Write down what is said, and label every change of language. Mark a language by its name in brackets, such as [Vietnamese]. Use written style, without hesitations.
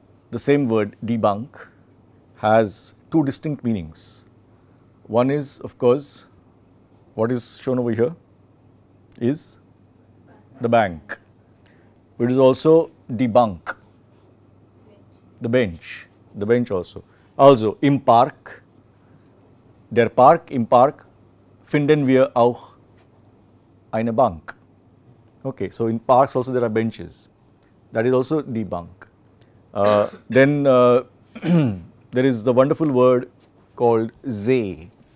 [English] The same word debunk has two distinct meanings. One is, of course, what is shown over here is the bank. It is also debunk, the bench, the bench also. [German] Also im Park, der Park, im Park finden wir auch eine Bank. [English] Okay, so in parks also there are benches. That is also debunk. Then there is the wonderful word called Zeh.